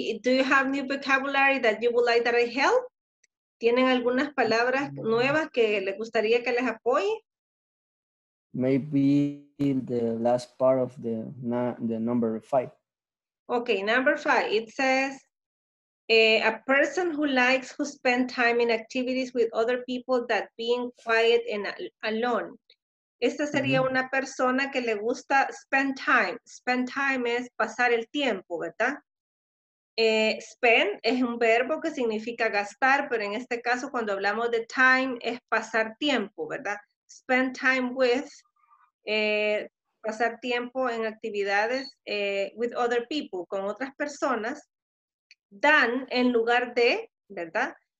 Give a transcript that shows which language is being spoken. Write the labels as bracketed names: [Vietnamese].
[English] Do you have new vocabulary that you would like that I help? [Spanish] ¿Tienen algunas palabras nuevas que les gustaría que les apoye? [English] Maybe the last part of the number five. Okay, number five. It says, a person who likes who spend time in activities with other people that being quiet and alone. [Spanish] Esta sería mm-hmm. una persona que le gusta spend time. Spend time es pasar el tiempo, ¿verdad? Spend es un verbo que significa gastar, pero en este caso cuando hablamos de time es pasar tiempo, ¿verdad? Spend time with, pasar tiempo en actividades [English] with other people, [Spanish] con otras personas, than en lugar de, ¿verdad?